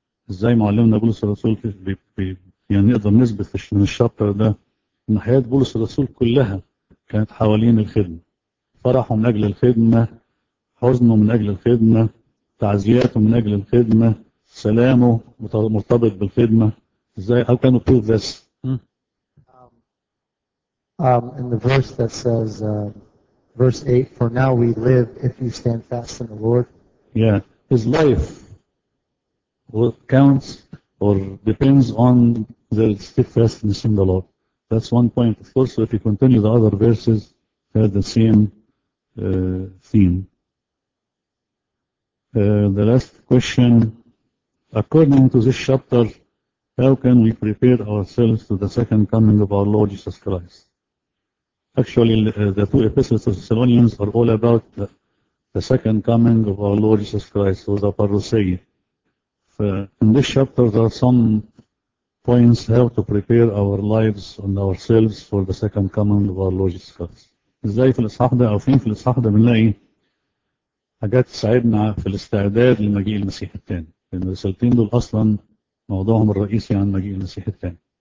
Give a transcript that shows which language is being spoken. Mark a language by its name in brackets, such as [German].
[Arabic] ازاي معلمنا بولس الرسول يعني نقدر نثبت من الشابتر ده ان حياة بولس الرسول كلها كانت حوالين الخدمة. فرحه من اجل الخدمة، حزنه من اجل الخدمة، تعزياته من اجل الخدمة، سلامه مرتبط بالخدمة ازاي [English] how can you prove this in the verse that says verse 8 for now we live if you stand fast in the Lord yeah his life counts or depends on the steadfastness in the Lord that's one point of course if you continue the other verses they're the same theme the last question According to this chapter, how can we prepare ourselves to the second coming of our Lord Jesus Christ? Actually, the two epistles of Thessalonians are all about the second coming of our Lord Jesus Christ, or the parousia. In this chapter, there are some points how to prepare our lives and ourselves for the second coming of our Lord Jesus Christ. [Arabic] إزاي في الإصحاح ده أو فين في الإصحاح ده بنلاقي حاجات تساعدنا في الاستعداد لمجيء المسيح الثاني. لأن الرسالتين دول أصلا موضوعهم الرئيسي عن مجيء المسيح الثاني.